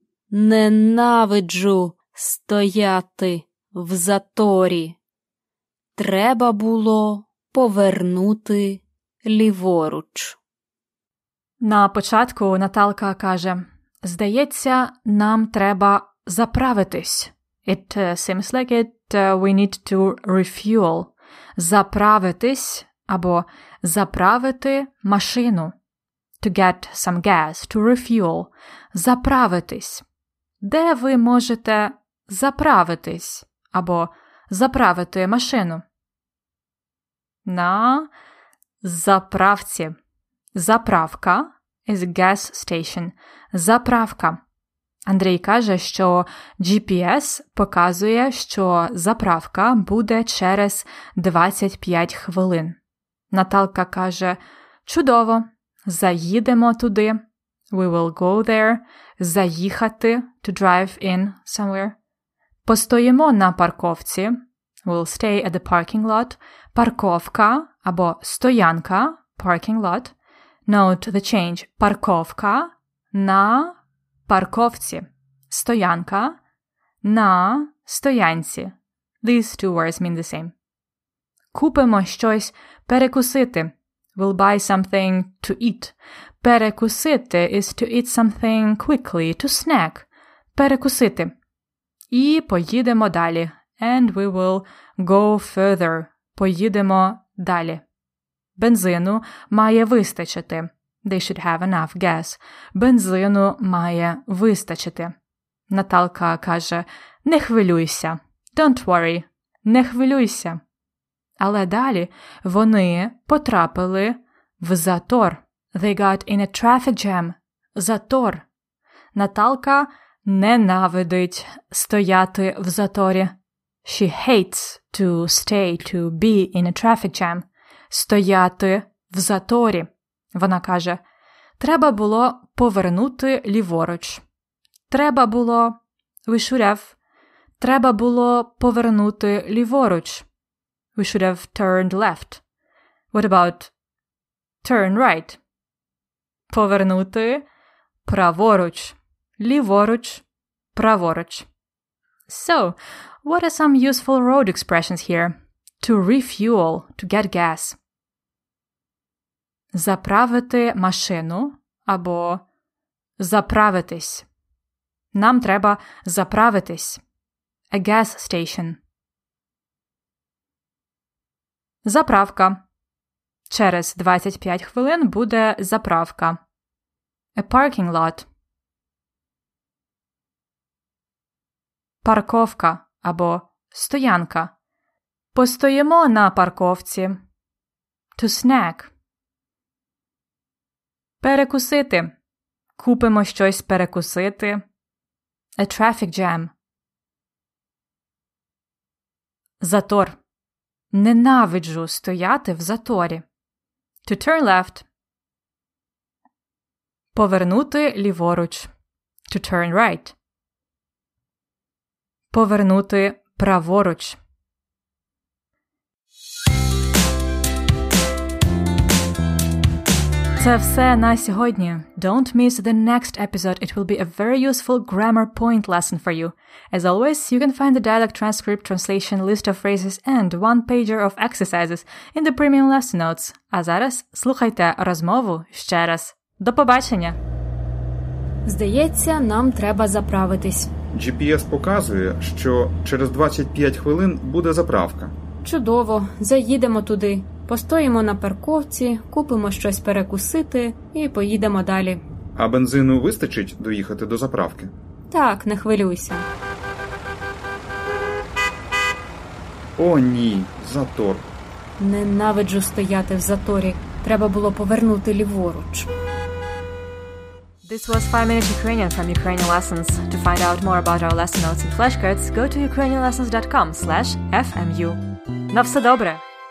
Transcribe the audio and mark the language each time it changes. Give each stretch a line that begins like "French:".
Ukrainian: Ненавиджу стояти в заторі. Треба було повернути ліворуч. На початку Наталка каже: здається, нам треба заправитись.
English: It seems like it we need to refuel.
Ukrainian: Заправитись або заправити машину.
English: To get some gas, to refuel.
Ukrainian: Заправитись. Де ви можете заправитись або заправити машину? На заправці.
English: Заправка is gas station.
Ukrainian: Заправка. Андрій каже, що GPS показує, що заправка буде через 25 хвилин. Наталка каже: чудово, заїдемо туди.
English: We will go there. Заїхати, to drive in somewhere.
Ukrainian: Постоїмо на парковці.
English: We'll stay at the parking lot.
Ukrainian: Парковка або стоянка,
English: parking lot. Note the change.
Ukrainian: Парковка на парковці. Стоянка на стоянці.
English: These two words mean the same.
Ukrainian: Купимо щось перекусити.
English: We'll buy something to eat. Перекусити is to eat something quickly, to snack.
Ukrainian: Перекусити. І поїдемо далі.
English: And we will go further.
Ukrainian: Поїдемо далі. Бензину має вистачити.
English: They should have enough gas.
Ukrainian: Бензину має вистачити. Наталка каже: не хвилюйся.
English: Don't worry.
Ukrainian: Не хвилюйся. Але далі вони потрапили в затор.
English: They got in a traffic jam.
Ukrainian: Затор. Наталка ненавидить стояти в заторі.
English: She hates to stay, to be in a traffic jam.
Ukrainian: Стояти в заторі. Вона каже: треба було повернути ліворуч. Треба було,
English: we should have,
Ukrainian: треба було повернути ліворуч.
English: We should have turned left. What about turn right? Повернути праворуч, ліворуч, праворуч. So, what are some useful road expressions here? To refuel, to get gas.
Ukrainian: Заправити машину або заправитись. Нам треба заправитись.
English: A gas station.
Ukrainian: Заправка. Через 25 хвилин буде заправка.
English: A parking lot.
Ukrainian: Парковка або стоянка. Постоїмо на парковці.
English: To snack. Перекусити.
Ukrainian: Купимо щось перекусити.
English: A traffic jam.
Ukrainian: Затор. Ненавиджу стояти в заторі.
English: To turn left.
Ukrainian: Повернути ліворуч.
English: To turn right.
Ukrainian: Повернути праворуч. Це все на сьогодні.
English: Don't miss the next episode. It will be a very useful grammar point lesson for you. As always, you can find the dialect transcript, translation, list of phrases and one-pager of exercises in the premium lesson notes.
Ukrainian: А зараз слухайте розмову ще раз. До побачення! Здається, нам треба заправитись. GPS показує, що через 25 хвилин буде заправка. Чудово, заїдемо туди. Постоїмо на парковці, купимо щось перекусити і поїдемо далі. А бензину вистачить доїхати до заправки? Так, не хвилюйся. О, ні, затор. Ненавиджу стояти в заторі. Треба було повернути ліворуч.
English: This was 5 Minutes Ukrainian from Ukrainian Lessons. To find out more about our lesson notes and flashcards, go to ukrainianlessons.com/fmu.
Ukrainian: На все добре!